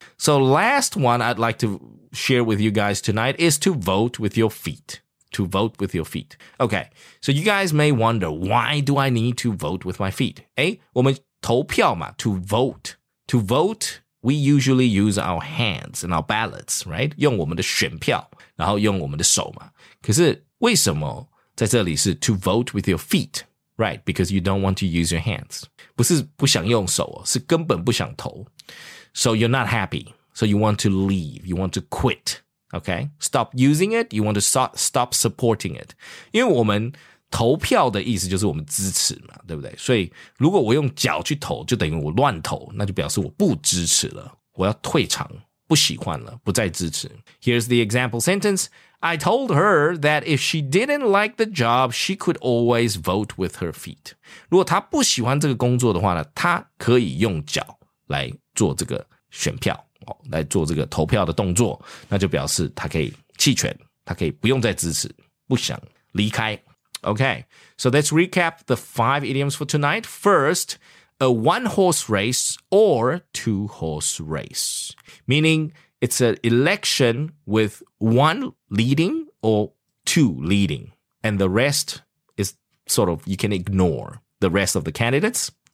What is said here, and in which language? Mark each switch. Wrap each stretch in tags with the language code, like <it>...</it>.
<en>So last one I'd like to share with you guys tonight is to vote with your feet. To vote with your feet. Okay, so you guys may wonder, why do I need to vote with my feet?</en> <zh>诶，我们投票嘛</zh> <en>to vote. To vote... We usually use our hands and our ballots, right?</en> <zh>用我们的选票，然后用我们的手嘛。可是为什么在这里是 to vote with your feet, right?</zh> <en>Because you don't want to use your hands.</en> <zh>不是不想用手哦，是根本不想投。</zh> <en>So you're not happy. So you want to leave. You want to quit. Okay? Stop using it. You want to stop supporting it.</en> <zh>因为我们投票的意思就是我们支持嘛，对不对？所以如果我用脚去投，就等于我乱投，那就表示我不支持了，我要退场，不喜欢了，不再支持。</zh> <en>Here's the example sentence. I told her that if she didn't like the job, she could always vote with her feet.</en> <zh>如果她不喜欢这个工作的话呢，她可以用脚来做这个选票，来做这个投票的动作，那就表示她可以弃权，她可以不用再支持，不想离开。</zh> <en>Okay, so let's recap the five idioms for tonight. First, a one-horse race or two-horse race, meaning it's an election with one leading or two leading, and the rest is sort of, you can ignore the rest of the candidates.</en>